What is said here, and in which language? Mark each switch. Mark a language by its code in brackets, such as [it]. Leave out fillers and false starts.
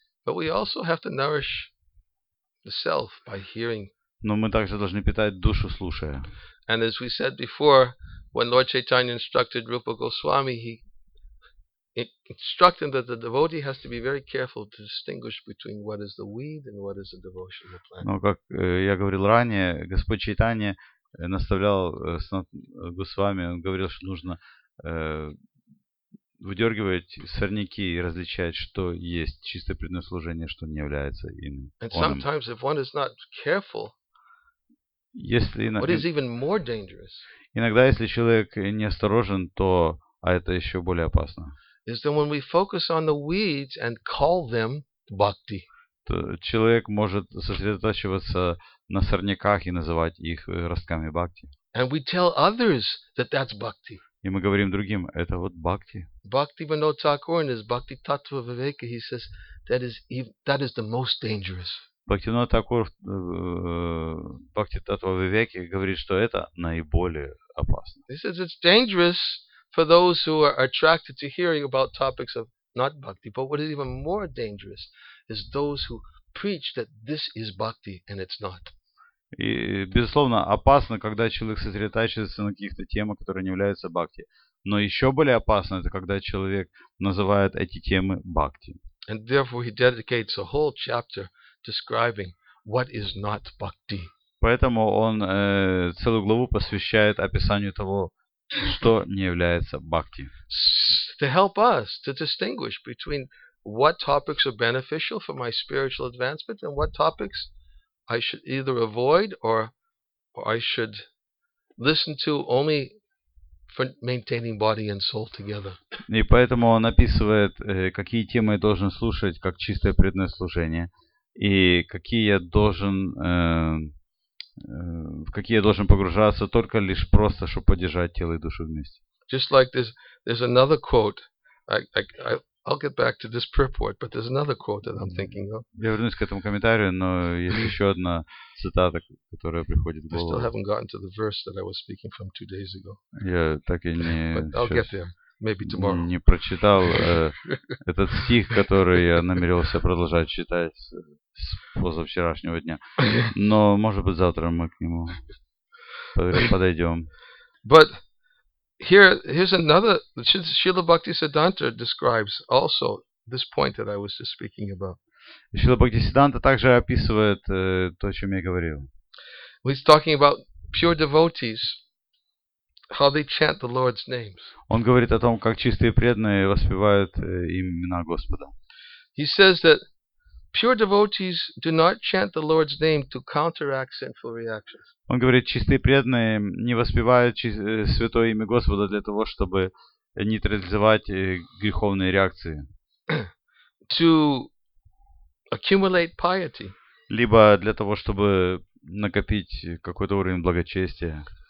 [en] But we also have to nourish the self by hearing. [ru] Но мы также должны питать душу, слушая. [en] And as we said before, when Lord Chaitanya instructed Rupa Goswami, he instructed that the devotee has to be very careful to distinguish between what is the weed and what is the devotional plant. [ru] Но как я говорил ранее, Господь Чайтанья наставлял Госвами, он говорил, что нужно выдергивать сорняки и различать, что есть чистое предназначение, что не является иным. [en] And sometimes if one is not careful, what is even more dangerous? [ru] Иногда, если человек неосторожен, то это еще более опасно. [en] Is that when we focus on the weeds and call them bhakti? [ru] То человек может сосредотачиваться на сорняках и называть их ростками бхакти. [en] And we tell others that that's bhakti. [ru] И мы говорим другим, это вот бхакти. [en] Bhakti Vinod Thakur in his Bhakti Tattva Viveka, he says that is the most dangerous. [ru] Бхактивинод Такур в Бхактитаттва Вивеке говорит, что это наиболее опасно. [en] He says it's dangerous for those who are attracted to hearing about topics of not bhakti, but what is even more dangerous is those who preach that this is bhakti and it's not. [ru] И, безусловно, опасно, когда человек сосредотачивается на каких-то темах, которые не являются бхакти. Но еще более опасно, это когда человек называет эти темы бхакти. [en] And therefore he dedicates a whole chapter describing what is not bhakti. [ru] Поэтому он целую главу посвящает описанию того, что не является бхакти. [en] To help us to distinguish between what topics are beneficial for my spiritual advancement and what topics I should either avoid or I should listen to only for maintaining body and soul together. [ru] И поэтому он описывает, какие темы я должен слушать, как чистое преданное служение, и какие я должен, в какие я должен погружаться только лишь просто, чтобы поддержать тело и душу вместе. [en] Just like there's another quote. I'll get back to this purport, but there's another quote that I'm thinking of. [ru] Я вернусь к этому комментарию, но есть еще одна цитата, которая приходит в голову. [en] I still haven't gotten to the verse that I was speaking from 2 days ago. [ru] Я так и не. [en] But I'll get there. Maybe tomorrow. [ru] Не прочитал этот стих, который я намеревался продолжать читать с позавчерашнего дня. Но, может быть, завтра мы к нему подойдем. [en] But here's another. Srila Bhaktisiddhanta describes also this point that I was just speaking about. [ru] Srila Bhaktisiddhanta также описывает то, о чем я говорил. [en] He's talking about pure devotees. How they chant the Lord's names. [ru] Он говорит о том, как чистые преданные воспевают имена Господа. [en] He says that pure devotees do not chant the Lord's name to counteract sinful reactions. [ru] Он говорит, чистые преданные не воспевают святое имя Господа для того, чтобы нейтрализовать греховные реакции. [en] To accumulate piety. [ru] Либо для того, чтобы накопить какой-то уровень благочестия.